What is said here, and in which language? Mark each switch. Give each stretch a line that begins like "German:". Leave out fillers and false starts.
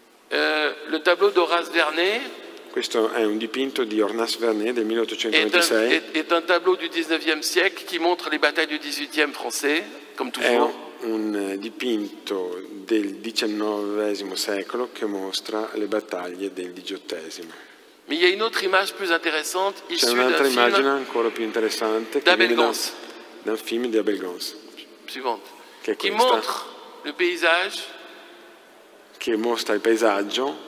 French: Le tableau d'Horace Vernet.
Italian: Questo è un dipinto di Horace Vernet del 1826.
French: È un tableau du 19e siècle qui montre les batailles du 18e français, comme toujours.
Italian: È un dipinto del 19 secolo che mostra le battaglie del 18.
French: Ma il y a une autre image plus intéressante, issue d'un film.
Italian: C'est un'altra immagine ancora più interessante
French: d'Abel Gance.
Italian: D'un film di Abel Gance.
French: Suivante. Qui montre le paysage.
Italian: Che mostra il paesaggio.